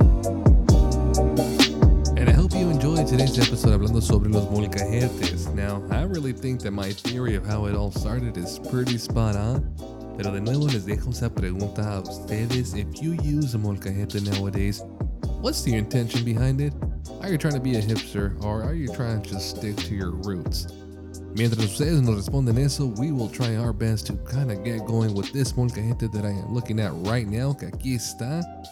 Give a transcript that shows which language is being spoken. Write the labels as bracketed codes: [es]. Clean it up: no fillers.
[en] And I hope you enjoyed today's episode [es] hablando sobre los molcajetes. [en] Now, I really think that my theory of how it all started is pretty spot on. [es] Pero de nuevo les dejo esa pregunta a ustedes. [en] If you use a molcajete nowadays, what's the intention behind it? Are you trying to be a hipster or are you trying to just stick to your roots? [es] Mientras ustedes nos responden eso, [en] we will try our best to kind of get going with this molcajete that I am looking at right now, [es] que aquí está.